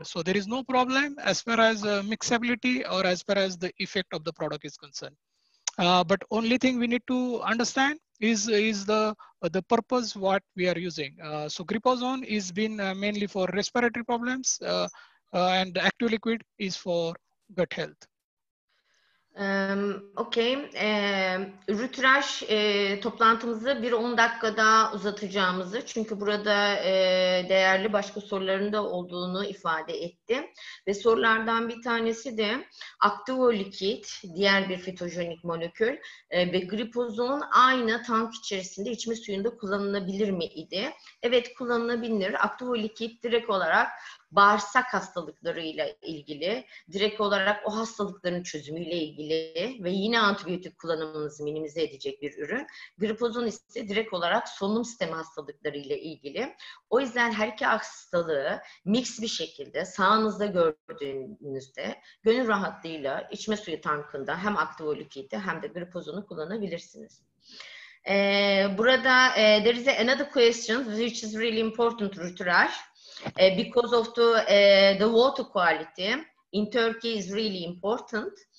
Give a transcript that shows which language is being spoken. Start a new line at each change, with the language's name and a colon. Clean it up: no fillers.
English: So there is no problem as far as mixability or as far as the effect of the product is concerned. But only thing we need to understand is the purpose what we are using. So gripozone is been mainly for respiratory problems. And active liquid is for gut health. Okay.
Turkish: Ruturaj toplantımızı bir 10 dakika daha uzatacağımızı, çünkü burada değerli başka soruların da olduğunu ifade etti. Ve sorulardan bir tanesi de aktivolikit, diğer bir fitojenik molekül ve gripozon aynı tank içerisinde içme suyunda kullanılabilir miydi? Evet, kullanılabilir. Aktivolikit direkt olarak bağırsak hastalıklarıyla ilgili, direkt olarak o hastalıkların çözümüyle ilgili ve yine antibiyotik kullanımınızı minimize edecek bir ürün. Gripozon ise direkt olarak solunum sistemi hastalıklarıyla ilgili. O yüzden her iki hastalığı mix bir şekilde sağınızda gördüğünüzde gönül rahatlığıyla içme suyu tankında hem aktivolikiti hem de gripozonu kullanabilirsiniz. Burada
English: there is another question which is really important, Ruturaj. Because of the water quality in Turkey is really important.